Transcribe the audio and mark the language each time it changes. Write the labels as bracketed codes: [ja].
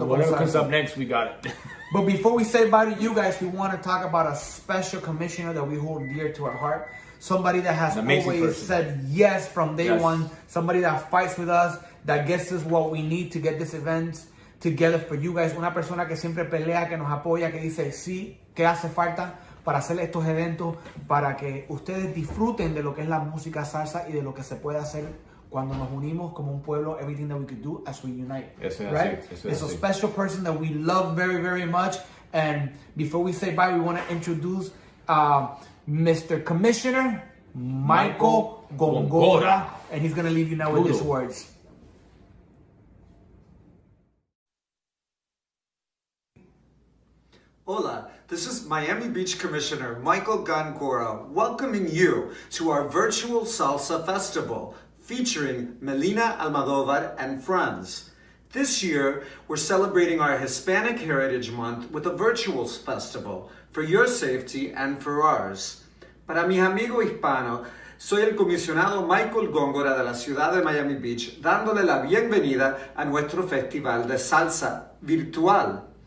[en] con Salsa. Whatever comes up next, we got it. But before we say bye to you guys, we want to talk about a special commissioner that we hold dear to our heart. Somebody that has always said yes from day one. Somebody that fights with us, that gets us what we need to get this event together for you guys. [es] Una persona que siempre pelea, que nos apoya, que dice sí, que hace falta para hacer estos eventos, para que ustedes disfruten de lo que es la música salsa y de lo que se puede hacer cuando nos unimos como un pueblo. [en] Everything that we could do as we unite. Right? It's a special person that we love very, very much. And before we say bye, we want to introduce Mr. Commissioner Michael Gongora. And he's going to leave you now with these words. Hola, this is Miami Beach Commissioner Michael Gongora welcoming you to our virtual salsa festival featuring Melina Almodóvar and friends. This year, we're celebrating our Hispanic Heritage Month with a virtual festival for your safety and for ours. [es] Para mis amigos hispanos, soy el comisionado Michael Gongora de la ciudad de Miami Beach dándole la bienvenida a nuestro festival de salsa virtual.